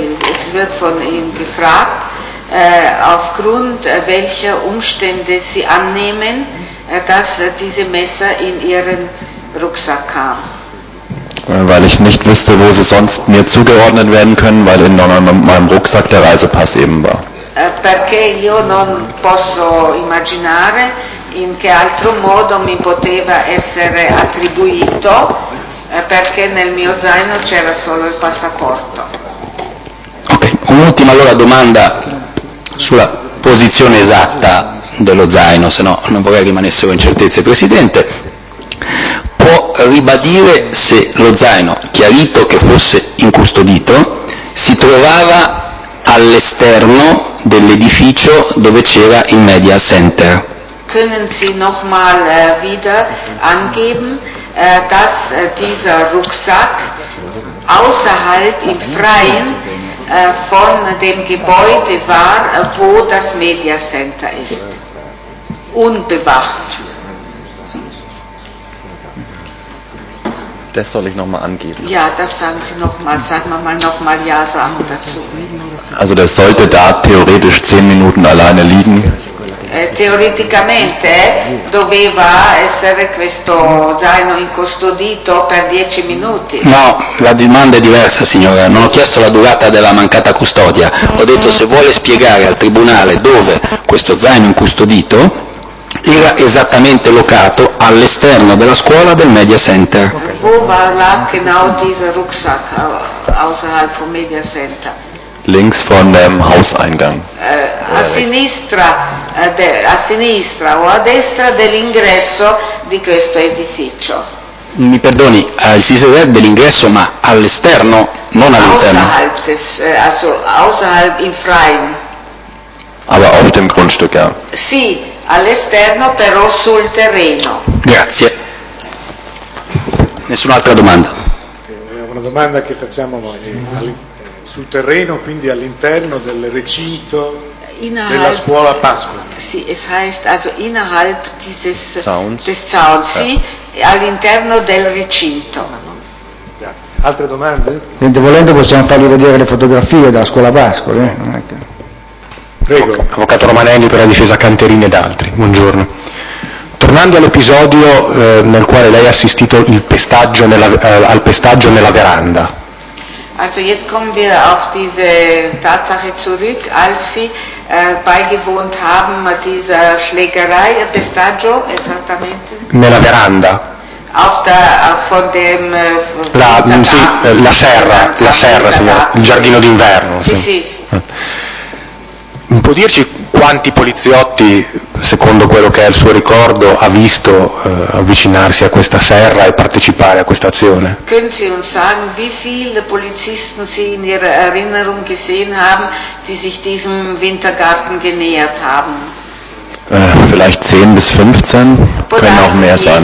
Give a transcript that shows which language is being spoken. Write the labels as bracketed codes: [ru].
[de] Es wird von ihm gefragt, aufgrund welcher Umstände sie annehmen, dass diese Messer in ihren Rucksack kamen. Weil ich nicht wüsste, wo sie sonst mir zugeordnet werden können, weil in meinem Rucksack der Reisepass eben war. [it] perché io non posso immaginare in che altro modo mi poteva essere attribuito, perché nel mio zaino c'era solo il passaporto. Okay. Un'ultima allora domanda sulla posizione esatta dello zaino, se no non vorrei rimanesse con incertezze. Presidente, può ribadire se lo zaino, chiarito che fosse incustodito, si trovava all'esterno dell'edificio dove c'era il Media Center? [de] Können Sie noch mal wieder angeben, dass dieser Rucksack außerhalb im Freien von dem Gebäude war, wo das Media Center ist, unbewacht? Das soll ich nochmal angeben. Ja, das sagen Sie nochmal. Sagen wir mal nochmal Ja sagen dazu. Also das sollte da theoretisch 10 Minuten alleine liegen. [it] Teoreticamente doveva essere questo zaino incustodito per 10 minuti. No, la domanda è diversa, signora. Non ho chiesto la durata della mancata custodia. Ho detto se vuole spiegare al tribunale dove questo zaino incustodito era esattamente locato all'esterno della scuola del Media Center. [de] Wo war genau dieser Rucksack außerhalb vom Media Center? Links von dem Hauseingang. [it] A sinistra o a destra dell'ingresso di questo edificio. Mi perdoni, al sinistra dell'ingresso, ma all'esterno, non all'interno. [de] Außerhalb im Freien. Aber auf dem Grundstück, ja. [it] Sì, all'esterno, però sul terreno. Grazie. Nessun'altra domanda? Una domanda che facciamo noi. Sul terreno, quindi all'interno del recinto della scuola Pasqua. [de] Sì, es heißt also innerhalb dieses Zauns, sì, [it] all'interno del recinto. Grazie. Altre domande? Niente, volendo possiamo fargli vedere le fotografie della scuola Pasqua. Prego. Avvocato Romanelli per la difesa Canterini ed altri. Buongiorno. Tornando all'episodio nel quale lei ha assistito al pestaggio nella veranda. [de] Also jetzt kommen wir auf diese Tatsache zurück, als Sie beigewohnt haben dieser Schlägerei, [it] Pestaggio, esattamente. Nella veranda. La serra, signora, il giardino d'inverno. Sì. Può dirci quanti poliziotti, secondo quello che è il suo ricordo, ha visto avvicinarsi a questa serra e partecipare a questa azione? [de] Können Sie uns sagen, wie viele Polizisten Sie in Ihrer Erinnerung gesehen haben, die sich diesem Wintergarten genähert haben? Vielleicht 10 bis 15, können auch mehr sein.